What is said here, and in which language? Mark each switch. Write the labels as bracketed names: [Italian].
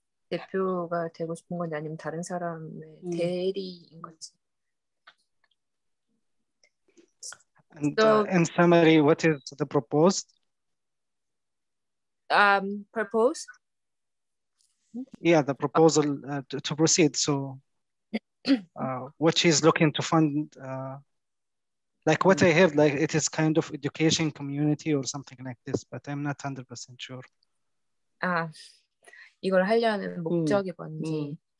[Korean] 대표가 되고 싶은 건 아니면 다른 사람의 대리인 건지. [English] And so, in summary, what is the proposed? Proposed? Yeah, the proposal to proceed. So what she's looking to fund, like what I have, like it is kind of education community or something like this, but I'm not 100% sure. [Korean] 이걸 하려는 목적이 뭔지.